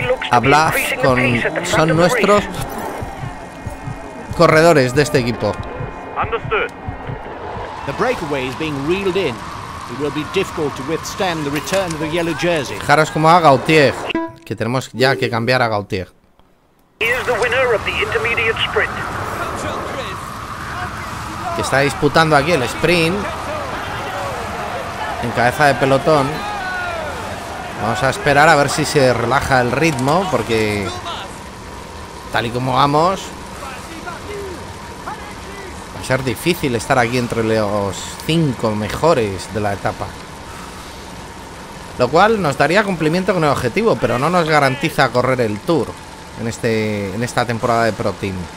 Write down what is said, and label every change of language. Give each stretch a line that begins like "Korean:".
Spanish: Habla con... Son nuestros... corredores de este equipo.
English: The breakaway is being reeled in. It will be difficult to withstand the return of the yellow jersey.
Spanish: Fijaros como a Gautier, que tenemos ya que cambiar a Gautier.
English: Here's the winner of the intermediate sprint.
Spanish: Que está disputando aquí el sprint en cabeza de pelotón. Vamos a esperar a ver si se relaja el ritmo, porque tal y como vamos ser difícil estar aquí entre los 5 mejores de la etapa, lo cual nos daría cumplimiento con el objetivo, pero no nos garantiza correr el Tour en este en esta temporada de Pro Team.